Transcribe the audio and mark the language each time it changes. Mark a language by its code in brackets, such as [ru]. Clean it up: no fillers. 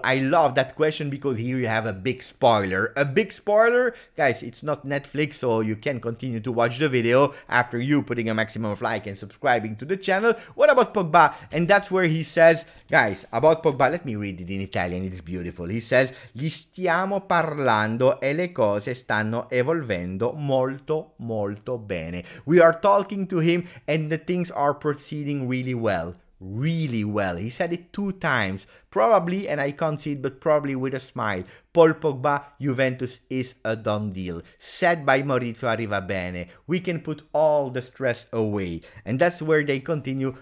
[en] I love that question because here you have a big spoiler. A big spoiler? Guys, it's not Netflix, so you can continue to watch the video after you putting a maximum of like and subscribing to the channel. What about Pogba? And that's where he says, guys, about Pogba, let me read it in Italian, it's beautiful. He says, [it] gli stiamo parlando e le cose stanno evolvendo molto, molto bene. [en] We are talking to him and the things are proceeding really well. Really well. He said it two times, probably, and I can't see it, but probably with a smile. Paul Pogba, Juventus is a done deal. Said by Maurizio Arrivabene. We can put all the stress away. And that's where they continue.